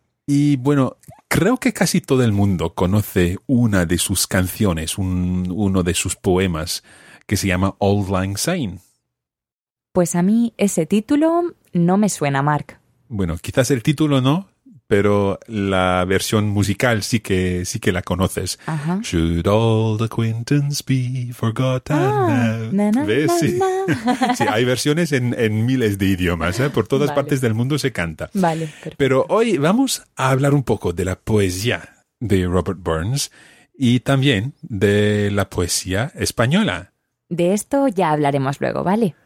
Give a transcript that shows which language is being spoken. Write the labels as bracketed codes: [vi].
[es] Y bueno, creo que casi todo el mundo conoce una de sus canciones, uno de sus poemas, que se llama Auld Lang Syne. Pues a mí ese título no me suena, Mark. Bueno, quizás el título no, pero la versión musical sí que la conoces. Ajá. [en] Should all acquaintance be forgotten now? Na, na, [es] ¿ves? Na, sí. Na. Sí, hay versiones en miles de idiomas, ¿eh? Por todas partes del mundo se canta. Vale, perfecto. Pero hoy vamos a hablar un poco de la poesía de Robert Burns y también de la poesía española. De esto ya hablaremos luego, ¿vale?